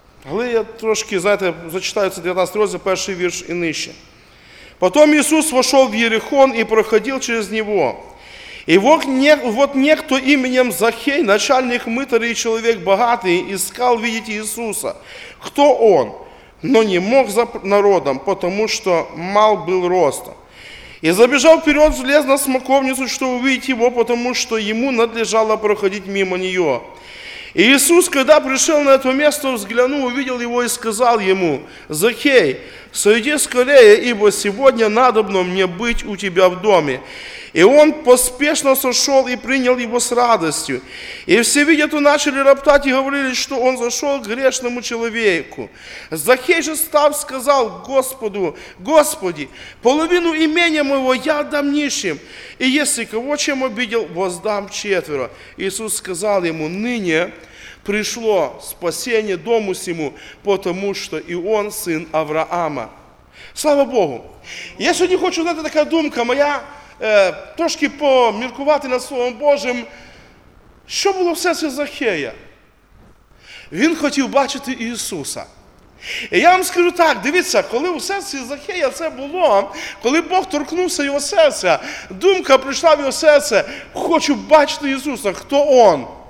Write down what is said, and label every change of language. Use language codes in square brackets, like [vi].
[uk] Але я трошки, знаєте, зачитаю це 19 розділ, перший вірш і нижче. Потім Ісус вошов в Єрихон і проходив через нього. І от нехто іменем Захей, начальник митарів і чоловік багатий, іскав видіти Ісуса. Хто он? [ru] Но не мог за народом, потому что мал был ростом. И забежал вперед, влез на смоковницу, чтобы увидеть его, потому что ему надлежало проходить мимо нее. И Иисус, когда пришел на это место, взглянул, увидел его и сказал ему, «Захей, сойди скорее, ибо сегодня надобно мне быть у тебя в доме». И он поспешно сошел и принял его с радостью. И все, видя то, начали роптать и говорили, что он зашел к грешному человеку. Захей же став, сказал Господу, «Господи, половину имения моего я дам нищим, и если кого чем обидел, воздам четверо». Иисус сказал ему, «Ныне пришло спасение дому сему, потому что и он сын Авраама». Слава Богу! [uk] Я сьогодні хочу знати, така думка моя, трошки поміркувати над Словом Божим, що було в серці Захея? Він хотів бачити Ісуса. І я вам скажу так, дивіться, коли у серці Захея це було, коли Бог торкнувся його серця, думка прийшла в його серце, хочу бачити Ісуса, хто Он?